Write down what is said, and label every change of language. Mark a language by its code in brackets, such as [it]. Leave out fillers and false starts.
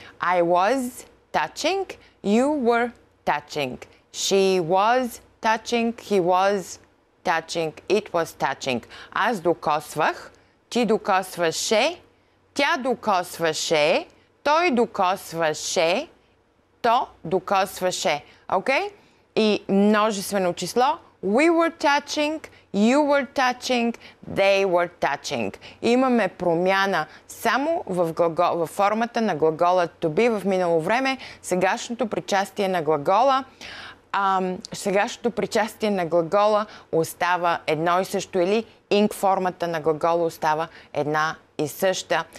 [en] I was touching, you were touching, she was touching, he was touching, it was touching. [bg] Аз докосвах, ти докосваше, тя докосваше, той докосваше, то докосваше. Окей? И множествено число. [en] We were touching, you were touching, they were touching. [bg] Имаме промяна само в формата на глагола to be в минало време, сегашното причастие на глагола. Сегашното причастие на глагола остава едно и също или инк формата на глагола остава една и съща.